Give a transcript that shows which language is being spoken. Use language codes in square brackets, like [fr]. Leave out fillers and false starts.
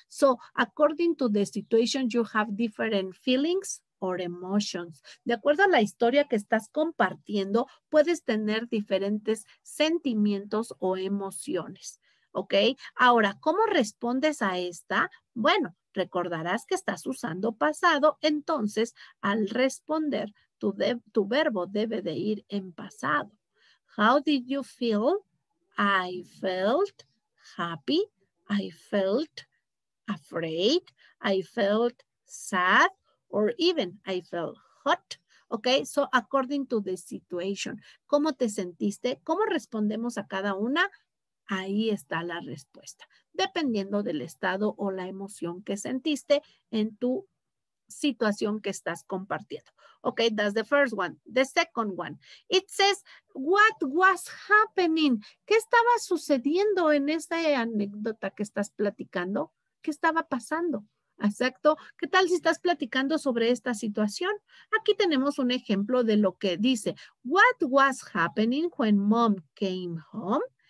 [en] So, according to the situation, you have different feelings or emotions. [es] De acuerdo a la historia que estás compartiendo, puedes tener diferentes sentimientos o emociones. ¿Ok? Ahora, ¿cómo respondes a esta? Bueno, recordarás que estás usando pasado. Entonces, al responder, tu verbo debe de ir en pasado. [en] How did you feel? I felt happy. I felt afraid. I felt sad. Or even, I felt hot. ¿Ok? So, according to the situation. [es] ¿Cómo te sentiste? ¿Cómo respondemos a cada una? Ahí está la respuesta, dependiendo del estado o la emoción que sentiste en tu situación que estás compartiendo. [en] Ok, that's the first one. The second one, it says, what was happening? [es] ¿Qué estaba sucediendo en esta anécdota que estás platicando? ¿Qué estaba pasando? Exacto. ¿Qué tal si estás platicando sobre esta situación? Aquí tenemos un ejemplo de lo que dice, [en] what was happening when mom came home?